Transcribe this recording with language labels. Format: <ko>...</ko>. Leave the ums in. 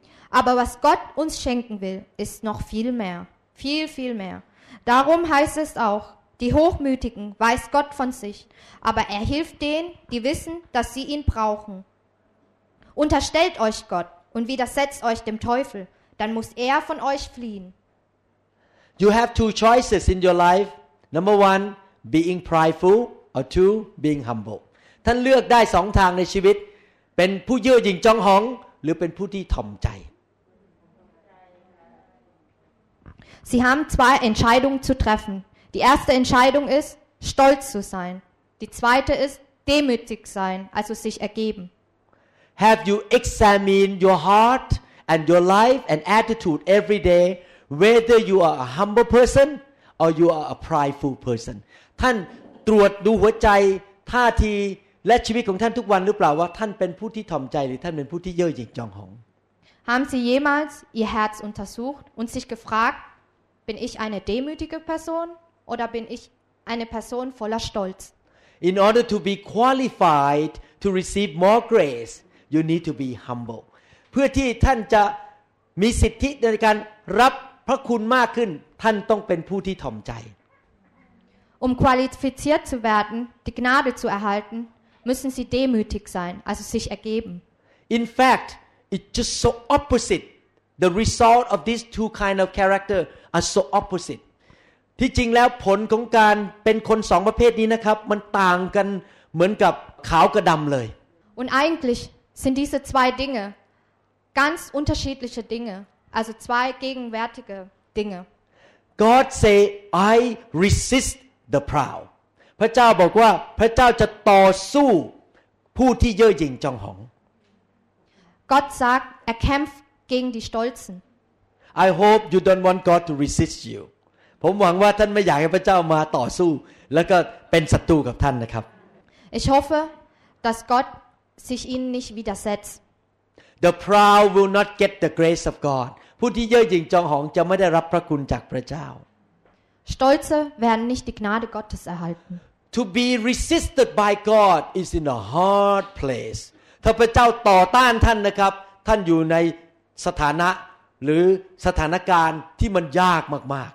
<de>aber was Gott uns schenken will, ist noch viel mehr, viel, viel mehr. Darum heißt es auch, die Hochmütigen weiß Gott von sich, aber er hilft denen, die wissen, dass sie ihn brauchen. Unterstellt euch Gott und widersetzt euch dem Teufel, dann muss er von euch fliehen.</de> <en>You have two choices in your life. Number one, being prideful, or two, being humble.</en> <th>ท่านเลือกได้สองทางในชีวิต เป็นผู้เยื่อหยิ่งจองหองหรือเป็นผู้ที่ถ่อมใจ</th> <de>Sie haben zwei Entscheidungen zu treffen. Die erste Entscheidung ist, stolz zu sein. Die zweite ist, demütig sein, also sich ergeben.</de> <en>Have you examined your heart and your life and attitude every day, whether you are a humble person or you are a prideful person?</en> <th>ท่านตรวจดูหัวใจ ท่าทีและชีวิตของท่านทุกวันหรือเปล่าว่าท่านเป็นผู้ที่ถ่อมใจหรือท่านเป็นผู้ที่เย่อหยิ่งจองหอง</th> <de>Haben Sie jemals Ihr Herz untersucht und sich gefragt, bin ich eine demütige Person oder bin ich eine Person voller Stolz?</de> <en>In order to be qualified to receive more grace, you need to be humble.</en> <th>เพื่อที่ท่านจะมีสิทธิในการรับพระคุณมากขึ้นท่านต้องเป็นผู้ที่ถ่อมใจ</th> <de>Um qualifiziert zu werden, die Gnade zu erhalten, müssen sie demütig sein, also sich ergeben.</de> <en>In fact, it's just so opposite. The result of these two kind of character are so opposite.</en> <th>ที่จริงแล้วผลของการเป็นคนสองประเภทนี้นะครับมันต่างกันเหมือนกับขาวกับดำเลย</th> <de>Und eigentlich sind diese zwei Dinge ganz unterschiedliche Dinge, also zwei gegenwärtige Dinge.</de> <en>God say, I resist the proud.</en> <th>พระเจ้าบอกว่าพระเจ้าจะต่อสู้ ผู้ที่เย่อหยิ่งจองหอง</th> <de>God sagt er kämpft gegen die Stolzen</de> <en>I hope you don't want God to resist you</en> <th>ผมหวังว่าท่านไม่อยากให้พระเจ้ามาต่อสู้ แล้วก็เป็นศัตรูกับท่านนะครับ</th> <de>Ich hoffe dass Gott sich ihnen nicht widersetzt</de> <en>The proud will not get the grace of God</en> <th>ผู้ที่เย่อหยิ่งจองหอง จะไม่ได้รับพระคุณจากพระเจ้า</th> <de>Stolze werden nicht die Gnade Gottes erhalten.</de> <en>to be resisted by God is in a hard place</en> <th>ถ้าพระเจ้าต่อต้านท่านนะครับท่านอยู่ในสถานะ หรือสถานการณ์ที่มันยากมาก</th>